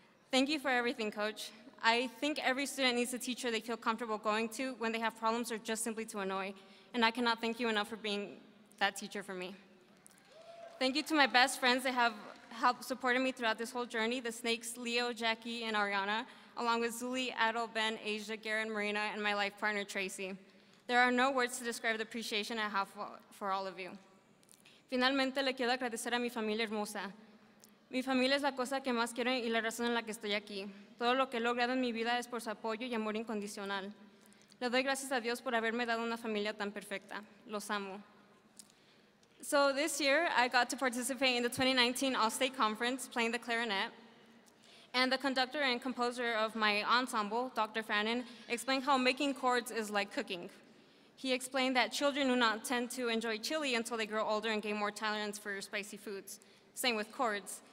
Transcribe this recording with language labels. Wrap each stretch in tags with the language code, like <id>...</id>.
<en>Thank you for everything, Coach. I think every student needs a teacher they feel comfortable going to when they have problems or just simply to annoy, and I cannot thank you enough for being that teacher for me. Thank you to my best friends that have helped supported me throughout this whole journey, the Snakes, Leo, Jackie, and Ariana, along with Zuli, Adel, Ben, Asia, Garen, Marina, and my life partner, Tracy. There are no words to describe the appreciation I have for all of you.</en> <es>Finalmente, le quiero agradecer a mi familia hermosa. Mi familia es la cosa que más quiero y la razón en la que estoy aquí. Todo lo que he logrado en mi vida es por su apoyo y amor incondicional. Le doy gracias a Dios por haberme dado una familia tan perfecta. Los amo.</es> <en>So this year, I got to participate in the 2019 All-State Conference playing the clarinet. And the conductor and composer of my ensemble, Dr. Fannin, explained how making chords is like cooking. He explained that children do not tend to enjoy chili until they grow older and gain more tolerance for spicy foods. Same with chords.</en>